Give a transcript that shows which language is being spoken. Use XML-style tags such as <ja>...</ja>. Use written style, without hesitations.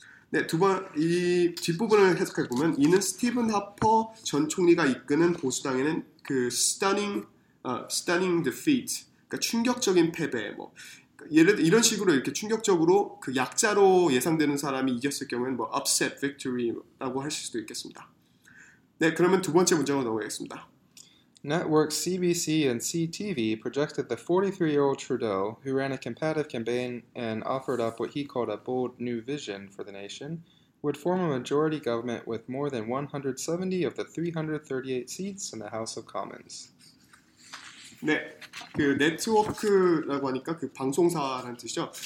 <ko>네, 두 번 이 뒷부분을 해석해 보면 이는 스티븐 하퍼 전 총리가 이끄는 보수당에는 그</ko> <en>stunning defeat,</en> <ko>그러니까 충격적인 패배 뭐. 예를 이런 식으로 이렇게 충격적으로 그 약자로 예상되는 사람이 이겼을 경우에는 뭐</ko> <en>upset victory</en> <ko>라고 하실 수도 있겠습니다. 네, 그러면 두 번째 문장으로 넘어가겠습니다.</ko> <en>Network CBC and CTV projected the 43-year-old Trudeau, who ran a competitive campaign and offered up what he called a bold new vision for the nation, would form a majority government with more than 170 of the 338 seats in the House of Commons.</en> <ko>네, 그 네트워크라고 하니까 그 방송사라는 뜻이죠.</ko>